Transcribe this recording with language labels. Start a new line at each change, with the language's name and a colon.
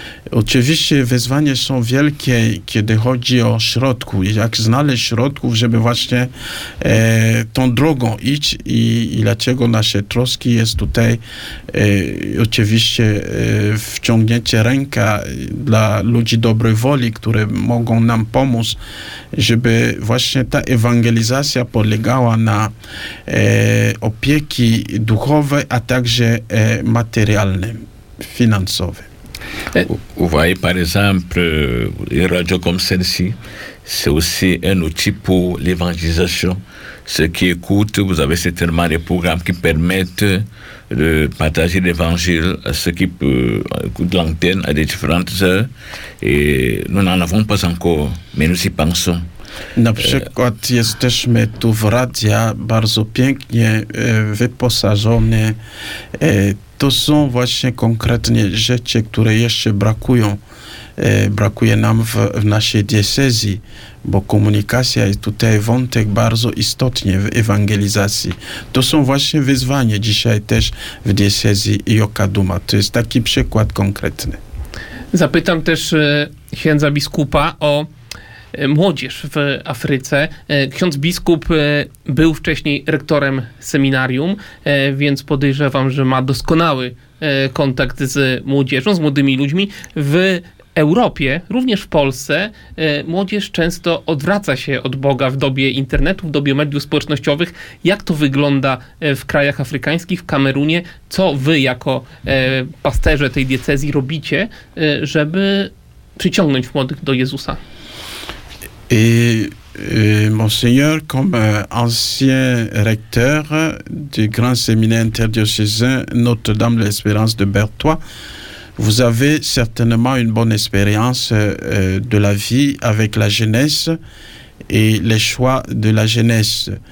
Polish: Oczywiście wyzwania są wielkie, kiedy chodzi o środki, jak znaleźć środków, żeby właśnie tą drogą iść i dlaczego nasze troski jest tutaj oczywiście wciągnięcie ręka dla ludzi dobrej woli, które mogą nam pomóc, żeby właśnie ta ewangelizacja polegała na opieki duchowej, a także materialnej, finansowej.
French: Vous voyez, par exemple, une radio comme celle-ci, c'est aussi un outil pour l'évangélisation. Ceux qui écoutent, vous avez certainement des programmes qui permettent de partager l'évangile à ceux qui écoutent l'antenne à des différentes heures. Et nous n'en avons pas encore, mais nous y pensons.
Polish: Na przykład jesteśmy tu w radia bardzo pięknie wyposażone. To są właśnie konkretne rzeczy, które jeszcze brakują. Brakuje nam w naszej diecezji, bo komunikacja jest tutaj wątek bardzo istotny w ewangelizacji. To są właśnie wyzwania dzisiaj też w diecezji Jokaduma. To jest taki przykład konkretny. Zapytam też księdza biskupa o młodzież w Afryce. Ksiądz biskup był wcześniej rektorem seminarium, więc podejrzewam, że ma doskonały kontakt z młodzieżą, z młodymi ludźmi. W Europie, również w Polsce, młodzież często odwraca się od Boga w dobie internetu, w dobie mediów społecznościowych. Jak to wygląda w krajach afrykańskich, w Kamerunie? Co wy jako pasterze tej diecezji robicie, żeby przyciągnąć młodych do Jezusa?
French: Et Monseigneur, comme ancien recteur du grand séminaire interdiocésain Notre-Dame de l'Espérance de Bertois, vous avez certainement une bonne expérience de la vie avec la jeunesse et les choix de la jeunesse.